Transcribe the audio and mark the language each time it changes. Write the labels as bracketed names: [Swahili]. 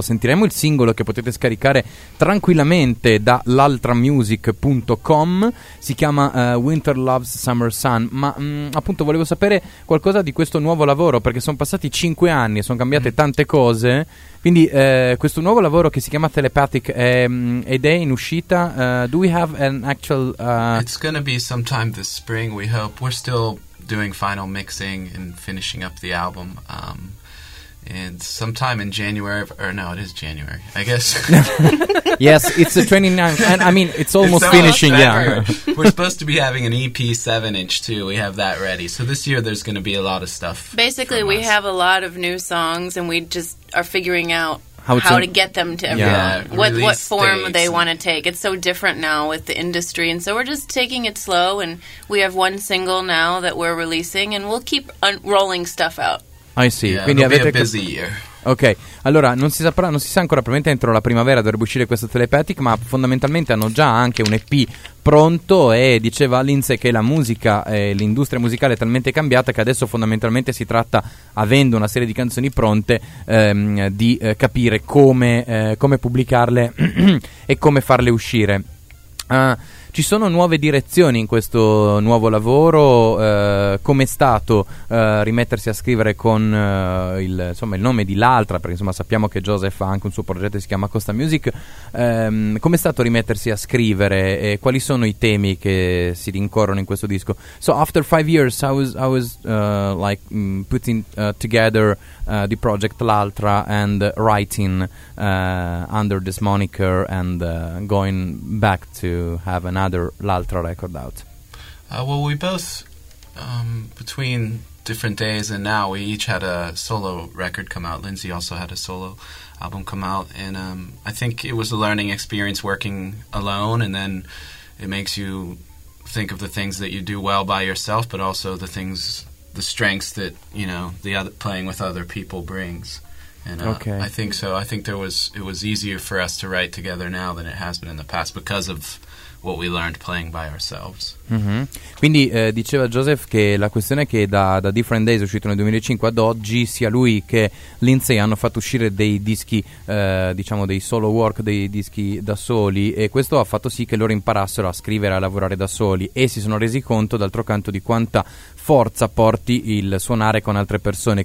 [Italian] Sentiremo il singolo che potete scaricare tranquillamente da l'altramusic.com. Si chiama Winter Loves Summer Sun. Ma appunto volevo sapere qualcosa di questo nuovo lavoro, perché sono passati 5 anni e sono cambiate tante cose. Quindi questo nuovo lavoro che si chiama Telepathic ed è in uscita. [English] Do we have an actual... It's gonna be sometime this spring, we hope. We're still doing final mixing and finishing up the album, and sometime in January, or no, it is January, I guess. Yes, it's the 29th, and I mean, it's almost finishing, yeah. We're supposed to be having an EP 7-inch, too. We have that ready. So this year, there's going to be a lot of stuff. Basically, we have a lot of new songs, and we just are figuring out how to get them to everyone. Yeah. What form they want to take. It's so different now with the industry. And so we're just taking it slow. And we have one single now that we're releasing. And we'll keep rolling stuff out. I see. Yeah, [Italian] quindi [English] it'll be a busy year. [Italian] Ok, allora non si sa ancora, probabilmente entro la primavera dovrebbe uscire questo Telepathic, ma fondamentalmente hanno già anche un EP pronto, e diceva Linse che la musica, l'industria musicale è talmente cambiata che adesso fondamentalmente si tratta, avendo una serie di canzoni pronte, di capire come pubblicarle e come farle uscire. Ci sono nuove direzioni in questo nuovo lavoro? Com'è stato rimettersi a scrivere con il nome di l'altra? Perché insomma sappiamo che Joseph ha anche un suo progetto che si chiama Costa Music. Com'è stato rimettersi a scrivere? E quali sono i temi che si rincorrono in questo disco? [English] So after 5 years I was like putting together the project l'altra and writing under this moniker and going back to have another l'altra record out. Well, we both between Different Days and now, we each had a solo record come out. Linse also had a solo album come out, and I think it was a learning experience working alone, and then it makes you think of the things that you do well by yourself, but also the strengths that, you know, the other, playing with other people brings. And okay. I think so. I think it was easier for us to write together now than it has been in the past because of what we learned playing by ourselves. Mm-hmm. [Italian] Quindi diceva Joseph che la questione è che da Different Days, uscito nel 2005, ad oggi sia lui che Lindsay hanno fatto uscire dei dischi, diciamo dei solo work, dei dischi da soli, e questo ha fatto sì che loro imparassero a scrivere, a lavorare da soli, e si sono resi conto d'altro canto di quanta forza porti il suonare con altre persone.